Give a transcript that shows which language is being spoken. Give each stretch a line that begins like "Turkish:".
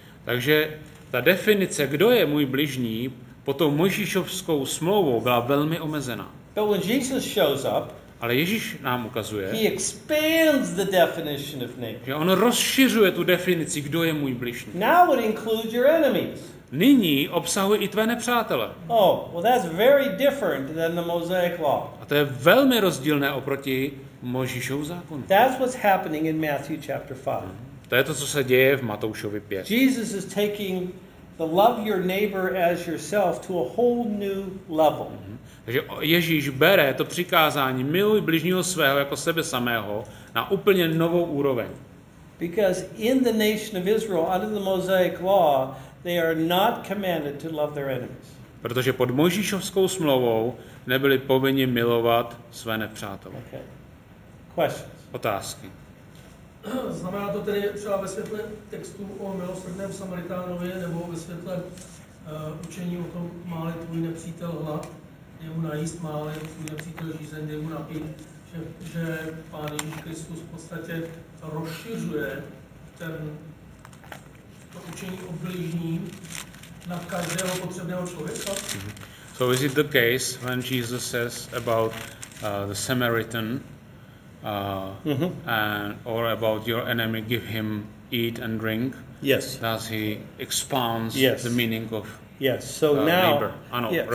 Czech: Takže ta definice, kdo je můj bližní, pod tou Mojžíšovskou smlouvou byla velmi omezená.
English: But when Jesus shows up,
Czech: Ale Ježíš nám ukazuje,
English: he expands the definition of neighbor.
Czech: Že on rozšiřuje tu definici, kdo je můj bližní.
English: Now it includes your enemies.
Czech: Nyní obsahuje i tvé nepřátele.
English: Oh, well, that's very different than the Mosaic law.
Czech: A to je velmi rozdílné oproti Mojžíšovu zákonu.
English: That's what's happening in Matthew chapter 5.
Czech: To je to, co se děje v Matoušovi 5.
English: Jesus is taking the love your neighbor as yourself to a whole new level.
Czech: Takže Ježíš bere to přikázání miluj bližního svého jako sebe samého na úplně novou úroveň.
English: Because in the nation of Israel under the Mosaic law, they are not commanded to love their enemies.
Czech: Protože pod Mojžíšovskou smlouvou nebyli povinni milovat své nepřátele.
English: Okay. Questions.
Czech: Otázky. Znamená to tedy třeba ve světle textu o milosrdném Samaritánovi nebo ve světle učení o tom, má-li tvůj nepřítel hlad, jde mu najíst, má-li tvůj nepřítel žízeň, jde mu napít, že Pán Ježíš Kristus v podstatě rozšiřuje to učení o blížním na každého potřebného člověka?
English: So is it the case when Jesus says about the Samaritan and or about your enemy, give him eat and drink. Yes. Does he expounds the meaning of So now, neighbor?
Czech: Ano,
English: yeah,